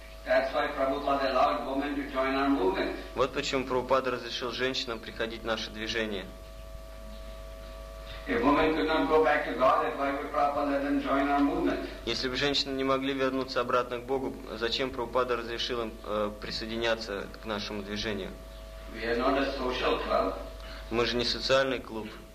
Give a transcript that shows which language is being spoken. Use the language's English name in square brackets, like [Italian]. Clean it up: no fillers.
[English] That's why Prabhupada allowed women to join our movement. [Russian] Вот почему Прабхупада разрешил женщинам приходить в наше движение. [English] If women could not go back to God, why would Prabhupada let them join our movement? [Russian] Если бы женщины не могли вернуться обратно к Богу, зачем Прабхупада разрешил им присоединяться к нашему движению? [English] We are not a social club. [Russian] Мы же не социальный клуб.